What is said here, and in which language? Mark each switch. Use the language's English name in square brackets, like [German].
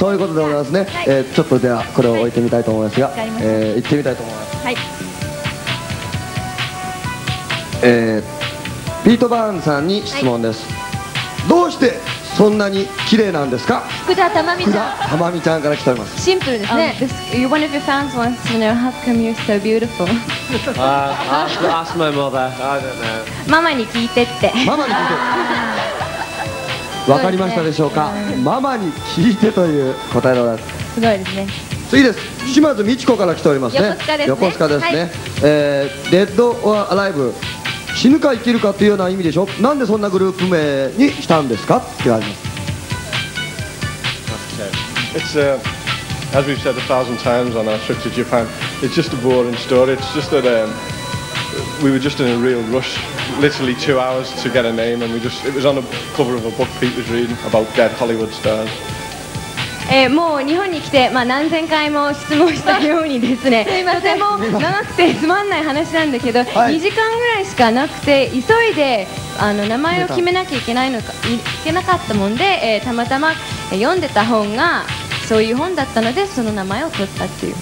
[Japanese] そういうことでございますね、はい、ちょっとではこれを置いてみたいと思いますが、はい、行ってみたいと思います。はい、ピート・バーンズさんに質問です、はい、どうしてそんなに綺麗なんですか。福田珠美ちゃん、福田珠美ちゃんから来ております。シンプルですね。 [English] This, you're one of your fans wants to know how come you're so beautiful. Ask my mother. I don't know. [Japanese] ママに聞いてって。ママに聞いて。わかりましたでしょうか。ママに聞いてという答えのです。すごいですね。次です。島津美智子から来ておりますね。横須賀ですね。 [English] Dead or Alive。 [Japanese] 死ぬか生きるかというような意味でしょ。なんでそんなグループ名にしたんですかって言われます。 [English] Okay. It's as we've said a thousand times on our trip to Japan, it's just a boring story. It's just that we were just in a real rush, literally two hours to get a name, and it was on the cover of a book Pete was reading about dead Hollywood stars. [Japanese] もう日本に来て、まあ、何千回も質問したようにですね、すいません、とても長くてつまんない話なんだけど、はい、2時間ぐらいしかなくて急いで名前を決めなきゃいけないのか、いけなかったもんで、たまたま読んでた本がそういう本だったのでその名前を取ったっていう。